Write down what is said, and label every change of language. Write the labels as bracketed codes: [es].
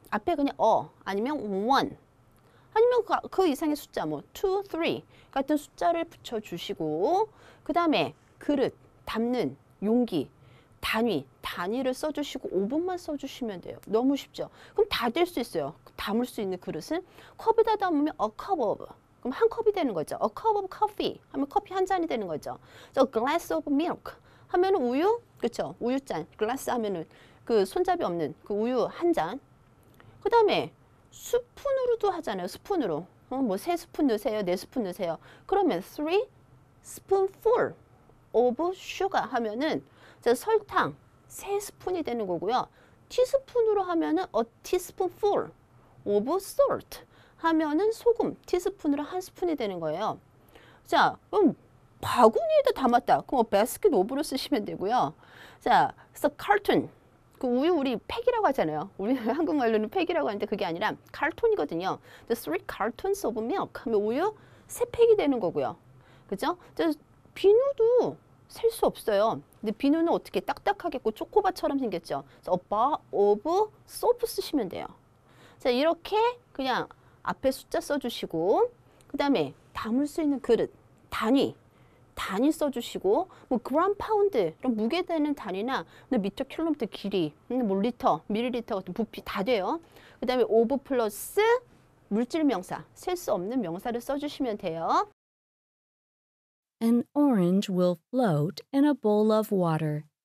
[ko] 앞에 그냥 아니면 one. 아니면 그 이상의 숫자, 뭐, two, three 같은 숫자를 붙여주시고, 그 다음에 그릇. 담는 용기, 단위, 단위를 써주시고 5분만 써주시면 돼요. 너무 쉽죠? 그럼 다 될 수 있어요. 담을 수 있는 그릇은 컵에다 담으면 [en] a cup of, [ko] 그럼 한 컵이 되는 거죠. [en] a cup of coffee [ko] 하면 커피 한 잔이 되는 거죠. [en] so glass of milk [ko] 하면 우유, 그렇죠? 우유잔, glass 하면 그 손잡이 없는 그 우유 한 잔. 그 다음에 스푼으로도 하잖아요. 스푼으로. 뭐 세 스푼 넣으세요, 네 스푼 넣으세요. 그러면 [en] three spoonful. of sugar [ko] 하면은 자, 설탕 세 스푼이 되는 거고요. 티스푼으로 하면은 [en] a teaspoonful of salt [ko] 하면은 소금 티스푼으로 한 스푼이 되는 거예요. 자, 그럼 바구니에다 담았다. 그럼 [en] basket of [ko] 로 쓰시면 되고요. 자, [en] so carton [ko] 그 우유 우리 팩이라고 하잖아요. 우리 한국말로는 팩이라고 하는데 그게 아니라 carton이거든요. [en] the three cartons of milk [ko] 하면 우유 세 팩이 되는 거고요. 그죠? 비누도 셀 수 없어요. 근데 비누는 어떻게 딱딱하겠고 초코바처럼 생겼죠. [en] So a bar of soap [ko] 쓰시면 돼요. 자, 이렇게 그냥 앞에 숫자 써주시고 그 다음에 담을 수 있는 그릇, 단위, 단위 써주시고 뭐 그램 파운드, 이런 무게되는 단위나 미터, 킬로미터, 길이, 뭐 리터, 밀리리터 같은 부피 다 돼요. 그 다음에 of 플러스 물질 명사, 셀 수 없는 명사를 써주시면 돼요. [en] An orange will float in a bowl of water.